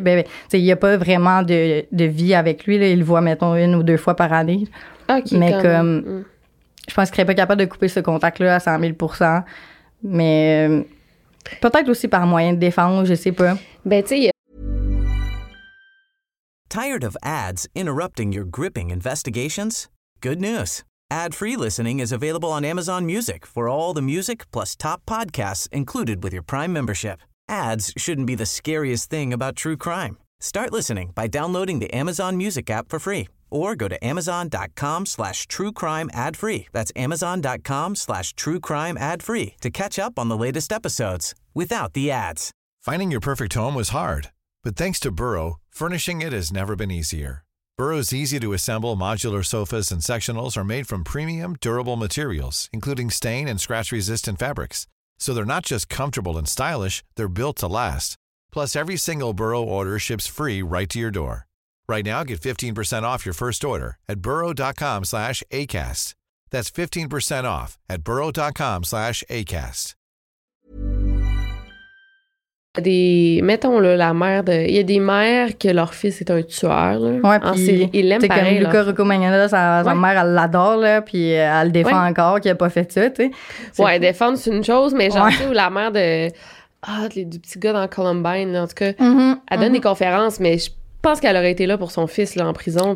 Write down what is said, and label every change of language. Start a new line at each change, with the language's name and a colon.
French: Ben, tu sais, il n'y a pas vraiment de vie avec lui, là. Il le voit, mettons, 1 ou 2 fois par année. OK. Mais je pense qu'il serait pas capable de couper ce contact-là à 100 000%. Mais. Peut-être aussi par moyen de défense, je sais pas. Ben, tu sais.
English: Tired of ads interrupting your gripping investigations? Good news. Ad-free listening is available on Amazon Music for all the music plus top podcasts included with your Prime membership. Ads shouldn't be the scariest thing about true crime. Start listening by downloading the Amazon Music app for free or go to amazon.com/truecrimeadfree. That's amazon.com/truecrimeadfree to catch up on the latest episodes without the ads. Finding your perfect home was hard, but thanks to Burrow, furnishing it has never been easier. Burrow's easy-to-assemble modular sofas and sectionals are made from premium, durable materials, including stain and scratch-resistant fabrics. So they're not just comfortable and stylish, they're built to last. Plus, every single Burrow order ships free right to your door. Right now, get 15% off your first order at burrow.com/ACAST. That's 15% off at burrow.com/ACAST.
French: Mettons là, la mère de. Il y a des mères que leur fils est un tueur. Là. Ouais, puis il l'aime pareil. C'est comme Luca Rocco Magnano, sa mère, elle l'adore, là, puis elle le défend encore, qu'il n'a pas fait ça, tu sais. Ouais, elle défend, c'est une chose, mais genre, tu sais, la mère de. Ah, du petit gars dans Columbine, là, en tout cas, elle donne des conférences, mais je pense qu'elle aurait été là pour son fils, là, en prison.